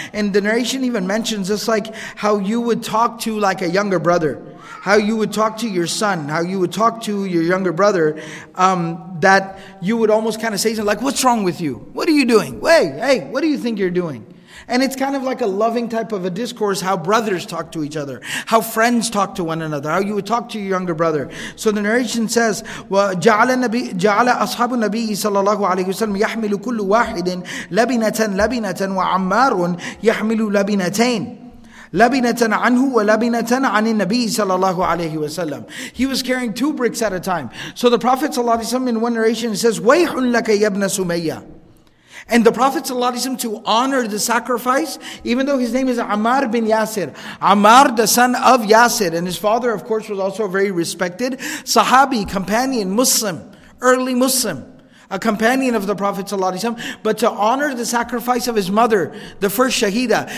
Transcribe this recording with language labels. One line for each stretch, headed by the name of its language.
English: And the narration even mentions this, like how you would talk to like a younger brother, how you would talk to your son, how you would talk to your younger brother, that you would almost kind of say something like, what's wrong with you? What are you doing? Hey, what do you think you're doing? And it's kind of like a loving type of a discourse, how brothers talk to each other, how friends talk to one another, how you would talk to your younger brother. So the narration says,
Arabic: جَعَلَ أَصْحَابُ النَّبِيِّ صَلَى اللَّهُ عَلَيْهُ وَسَلَّمُ يَحْمِلُ كُلُّ وَاحِدٍ لَبِنَةً وَعَمَّارٌ يَحْمِلُ لَبِنَتَيْنِ لَبِنَةً عَنْهُ وَلَبِنَةً عَنِ النَّبِيِّ صَلَى اللَّهُ عَلَيْهِ وَسَلَّمُ.
English: He was carrying two bricks at a time. So the Prophet صلى الله عليه وسلم, in one narration, says,
Arabic: وَيْحٌ لَكَ يَبْنَ سُمَيَّةً.
English: And the Prophet ﷺ, to honor the sacrifice, even though his name is Ammar bin Yasir, Ammar the son of Yasir, and his father of course was also a very respected Sahabi, companion, Muslim, early Muslim, a companion of the Prophet ﷺ, but to honor the sacrifice of his mother, the first Shahida.